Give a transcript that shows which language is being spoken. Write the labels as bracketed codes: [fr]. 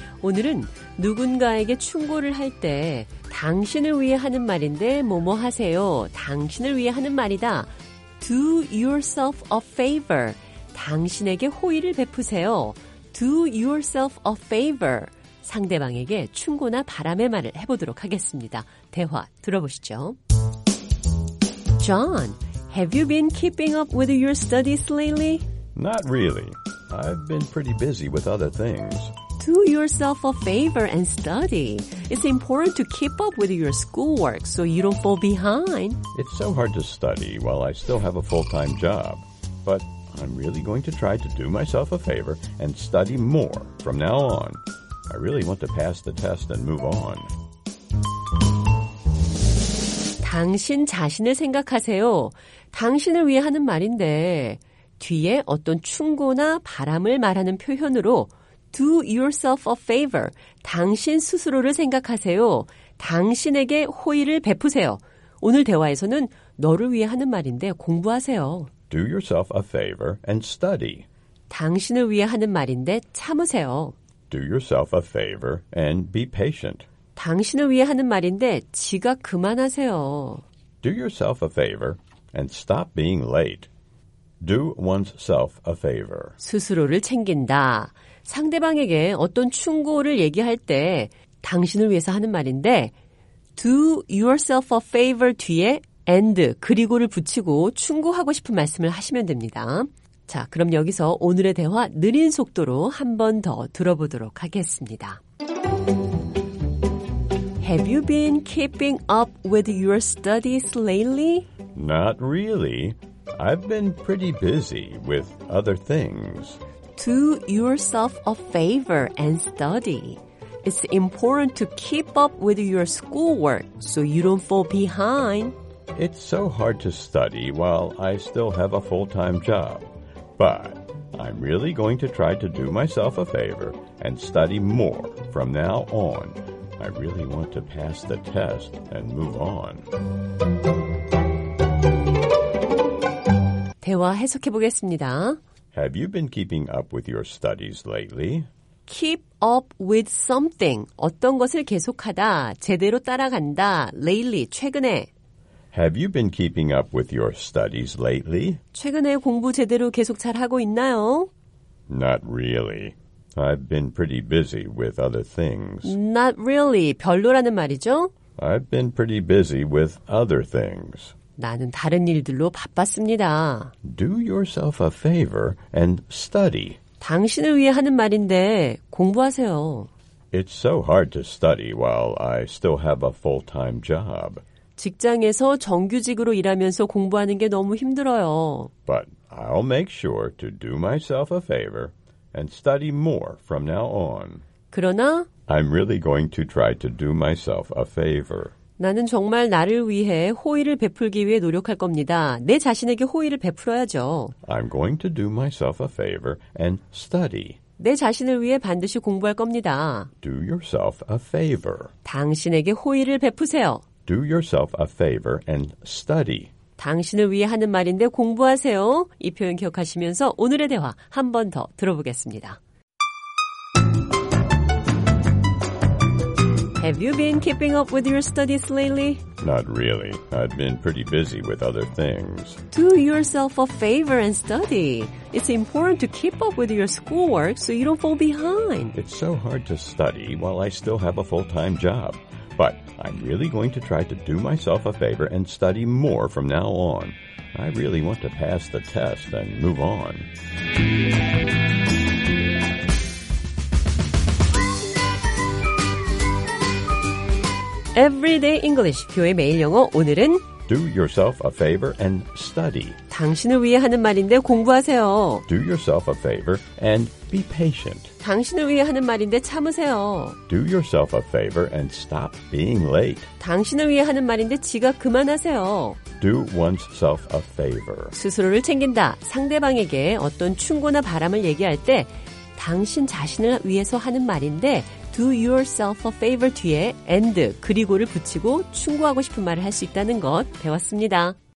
[ko] 오늘은 누군가에게 충고를 할 때 당신을 위해 하는 말인데 뭐뭐 하세요. 당신을 위해 하는 말이다. [en] Do yourself a favor. [ko] 당신에게 호의를 베푸세요. [en] Do yourself a favor. [ko] 상대방에게 충고나 바람의 말을 해보도록 하겠습니다. 대화 들어보시죠. [en] John, have you been keeping up with your studies lately? Not really. I've been pretty busy with other things. Do yourself a favor and study. It's important to keep up with your schoolwork so you don't fall behind. It's so hard to study while I still have a full-time job. But I'm really going to try to do myself a favor and study more from now on. I really want to pass the test and move on. [ko] 당신 자신을 생각하세요. 당신을 위해 하는 말인데 뒤에 어떤 충고나 바람을 말하는 표현으로 [en] Do yourself a favor. [ko] 당신 스스로를 생각하세요. 당신에게 호의를 베푸세요. 오늘 대화에서는 너를 위해 하는 말인데 공부하세요. [en] Do yourself a favor and study. [ko] 당신을 위해 하는 말인데 참으세요. [en] Do yourself a favor and be patient. [ko] 당신을 위해 하는 말인데 지각 그만하세요. [en] Do yourself a favor and stop being late. Do oneself a favor. [ko] 스스로를 챙긴다. 상대방에게 어떤 충고를 얘기할 때 당신을 위해서 하는 말인데 [en] Do yourself a favor [ko] 뒤에 and 그리고를 붙이고 충고하고 싶은 말씀을 하시면 됩니다. 자, 그럼 여기서 오늘의 대화 느린 속도로 한 번 더 들어보도록 하겠습니다. [en] Have you been keeping up with your studies lately? Not really. I've been pretty busy with other things. Do yourself a favor and study. It's important to keep up with your schoolwork so you don't fall behind. It's so hard to study while I still have a full-time job. But I'm really going to try to do myself a favor and study more from now on. I really want to pass the test and move on. [ko] 대화 해석해 보겠습니다. [en] Have you been keeping up with your studies lately? Keep up with something. [ko] 어떤 것을 계속하다, 제대로 따라간다. [en] Lately, 최근에. Have you been keeping up with your studies lately? [ko] 최근에 공부 제대로 계속 잘하고 있나요? [en] Not really. I've been pretty busy with other things. Not really. [ko] 별로라는 말이죠? [en] I've been pretty busy with other things. [ko] 나는 다른 일들로 바빴습니다. [en] Do yourself a favor and study. [ko] 당신을 위해 하는 말인데 공부하세요. [en] It's so hard to study while I still have a full-time job. [ko] 직장에서 정규직으로 일하면서 공부하는 게 너무 힘들어요. [en] But I'll make sure to do myself a favor and study more from now on. [ko] 그러나 [en] I'm really going to try to do myself a favor. [ko] 나는 정말 나를 위해 호의를 베풀기 위해 노력할 겁니다. 내 자신에게 호의를 베풀어야죠. [en] I'm going to do myself a favor and study. [ko] 내 자신을 위해 반드시 공부할 겁니다. [en] Do yourself a favor. [ko] 당신에게 호의를 베푸세요. [en] Do yourself a favor and study. [ko] 당신을 위해 하는 말인데 공부하세요. 이 표현 기억하시면서 오늘의 대화 한 번 더 들어보겠습니다. [en] Have you been keeping up with your studies lately? Not really. I've been pretty busy with other things. Do yourself a favor and study. It's important to keep up with your schoolwork so you don't fall behind. It's so hard to study while I still have a full-time job. But I'm really going to try to do myself a favor and study more from now on. I really want to pass the test and move on. [ko] 에브리데이 잉글리시 교회 매일 영어 오늘은 [en] Do yourself a favor and study. [ko] 당신을 위해 하는 말인데 공부하세요. [en] Do yourself a favor and be patient. [ko] 당신을 위해 하는 말인데 참으세요. [en] Do yourself a favor and stop being late. [ko] 당신을 위해 하는 말인데 지각 그만하세요. [en] Do oneself a favor. [ko] 스스로를 챙긴다. 상대방에게 어떤 충고나 바람을 얘기할 때 당신 자신을 위해서 하는 말인데 [en] Do yourself a favor [ko] 뒤에 and 그리고를 붙이고 충고하고 싶은 말을 할 수 있다는 것 배웠습니다.